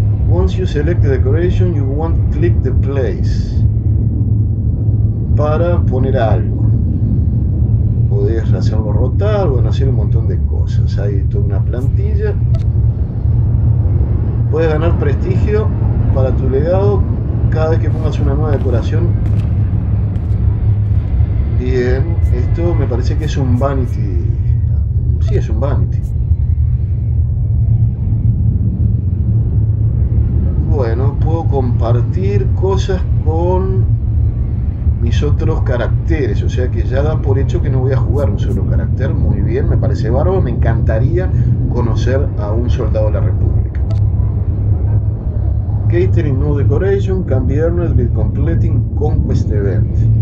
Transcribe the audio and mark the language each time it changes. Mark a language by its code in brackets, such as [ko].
[en] Once you select the decoration, you want to click the place. [es] Para poner algo. Podés hacerlo rotar, bueno, hacer un montón de cosas. Hay toda una plantilla. Puedes ganar prestigio para tu legado cada vez que pongas una nueva decoración. Bien, esto me parece que es un vanity. Sí, es un vanity. Bueno, puedo compartir cosas con mis otros caracteres. O sea que ya da por hecho que no voy a jugar un solo carácter. Muy bien, me parece bárbaro. Me encantaría conocer a un soldado de la República. [en] Catering new decoration can be earned with completing conquest event.